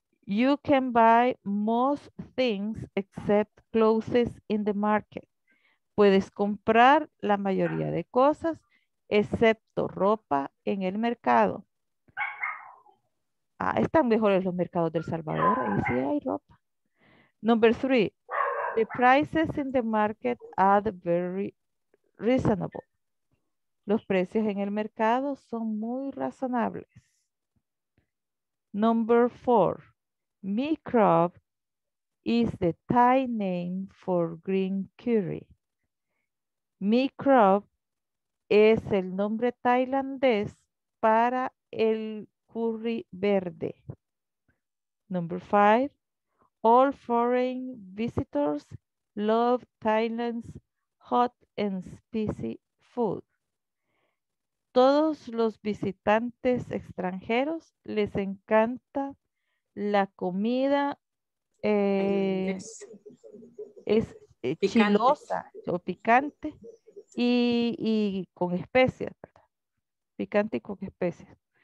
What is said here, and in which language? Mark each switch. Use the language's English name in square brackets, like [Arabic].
[English] You can buy most things except clothes in the market. [Spanish] Puedes comprar la mayoría de cosas excepto ropa en el mercado. Ah, están mejores los mercados del Salvador. Ahí sí hay ropa. [English] Number three. The prices in the market are very reasonable. [Spanish] Los precios en el mercado son muy razonables. [English] Number four. Microbe is the Thai name for green curry. [Spanish] Microbe es el nombre tailandés para el curry verde. [English] Number five. All foreign visitors love Thailand's hot and spicy food. [Spanish] Todos los visitantes extranjeros les encanta la comida es chilosa o picante y con especias, picante y con especias.